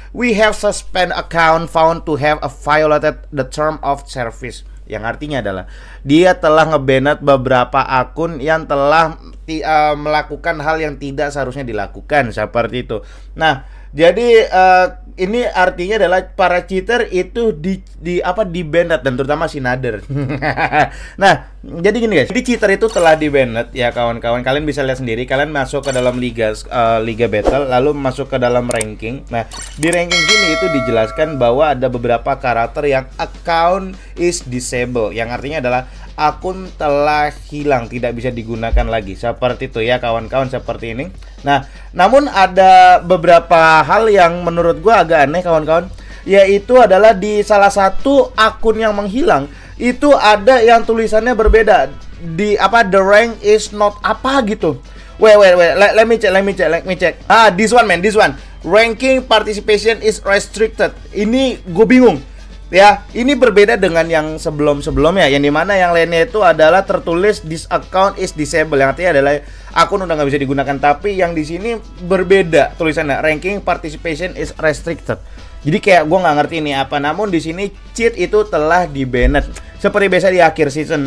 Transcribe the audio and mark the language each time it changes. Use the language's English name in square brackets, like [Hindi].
[English] We have suspend account found to have a violated the term of service. [Indonesian] Yang artinya adalah dia telah ngebanned beberapa akun yang telah melakukan hal yang tidak seharusnya dilakukan, seperti itu. Nah, jadi ini artinya adalah para cheater itu dibanned, dan terutama si Nader. Nah, jadi gini guys, jadi cheater itu telah dibanned ya kawan-kawan. Kalian bisa lihat sendiri, kalian masuk ke dalam liga battle, lalu masuk ke dalam ranking. Nah, di ranking sini itu dijelaskan bahwa ada beberapa karakter yang [English] account is disabled, [Indonesian] yang artinya adalah akun telah hilang, tidak bisa digunakan lagi, seperti itu ya kawan-kawan, seperti ini. Nah, namun ada beberapa hal yang menurut gue agak aneh kawan-kawan, yaitu adalah di salah satu akun yang menghilang itu ada yang tulisannya berbeda di [English] the rank is not [Indonesian] apa gitu. [English] Let me check. Ah, this one. Ranking participation is restricted. [Indonesian] Ini gue bingung. Ya, ini berbeda dengan yang sebelum-sebelumnya, yang dimana yang lainnya itu adalah tertulis [English] this account is disabled, [Indonesian] yang artinya adalah akun udah nggak bisa digunakan. Tapi yang di sini berbeda tulisannya, [English] ranking participation is restricted. [Indonesian] Jadi kayak gue nggak ngerti ini apa. Namun di sini cheat itu telah dibanned seperti biasa di akhir season.